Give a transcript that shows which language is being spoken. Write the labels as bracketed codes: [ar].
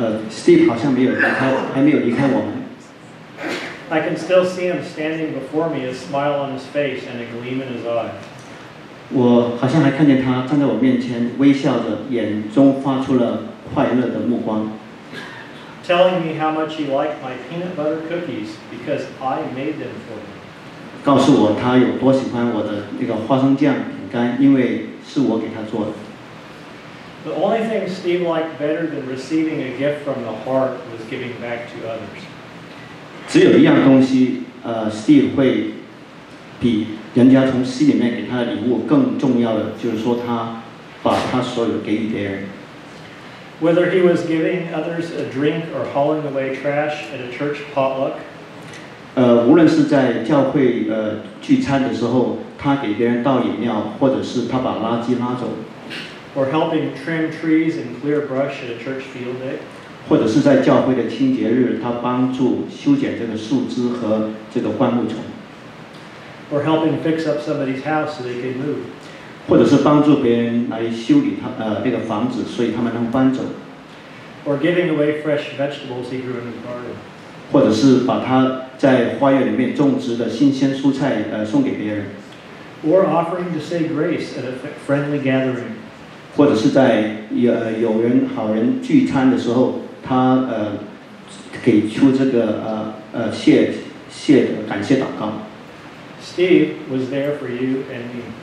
[zh] Steve 好像没有离开，还没有离开我们。 [en] I can still see him standing before me, a smile on his face and a gleam in his eye. [zh] 我好像还看见他站在我面前，微笑着，眼中发出了快乐的目光。 [en] Telling me how much he liked my peanut butter cookies because I made them for him. [zh] 告诉我他有多喜欢我的那个花生酱饼干，因为是我给他做的。 [en] The only thing Steve liked better than receiving a gift from the heart was giving back to others. [zh] 只有一样东西，Steve 会比人家从心里面给他的礼物更重要的，就是说他把他所有给予别人。 [en] Whether he was giving others a drink or hauling away trash at a church potluck, [zh] 无论是在教会聚餐的时候，他给别人倒饮料，或者是他把垃圾拉走， [en] or helping trim trees and clear brush at a church field day, [zh] 或者是在教会的清洁日，他帮助修剪这个树枝和这个灌木丛， [en] or helping fix up somebody's house so they can move. [zh] 或者是帮助别人来修理他那个房子，所以他们能搬走。 [en] Or giving away fresh vegetables he grew in his garden. [zh] 或者是把他在花园里面种植的新鲜蔬菜送给别人。 [en] Or offering to say grace at a friendly gathering. [zh] 或者是在有人好人聚餐的时候，他给出这个谢感谢祷告。 [en] Steve was there for you and me.